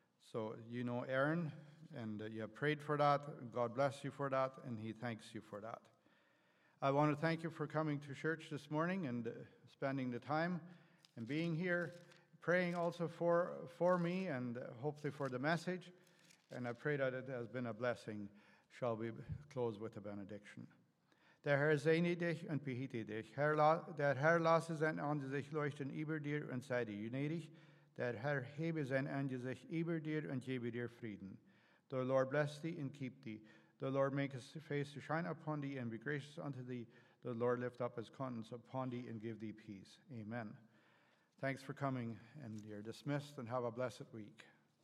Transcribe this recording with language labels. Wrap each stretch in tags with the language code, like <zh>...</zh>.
<en>So you know Aaron, and you have prayed for that. God bless you for that, and he thanks you for that. I want to thank you for coming to church this morning and spending the time and being here, praying also for me and hopefully for the message. And I pray that it has been a blessing. Shall we close with a benediction?</en> <de>Der Herr segne dich und behüte dich. Der Herr lasse sein Angesicht leuchten über dir und sei dir gnädig. Der Herr hebe sein Angesicht über dir und gebe dir Frieden.</de> <en>The Lord bless thee and keep thee. The Lord make his face to shine upon thee and be gracious unto thee. The Lord lift up his countenance upon thee and give thee peace. Amen. Thanks for coming, and you're dismissed, and have a blessed week.</en>